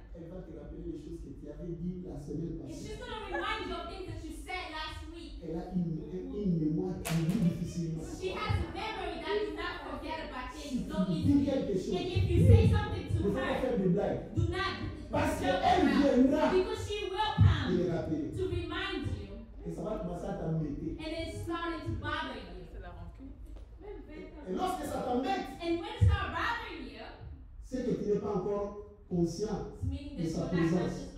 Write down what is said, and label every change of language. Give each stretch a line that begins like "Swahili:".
French: Elle va te rappeler les choses que tu avais dit la semaine passée.
English: And she's gonna remind you of things that you said last week.
French: Elle a une mémoire qui est difficile.
English: She has a memory that is not forgettable. So if you say something to her, do not joke around, because she will come to remind you, and it's starting to bother you. And when it starts bothering you,
French: c'est que tu n'es pas encore conscient de sa présence.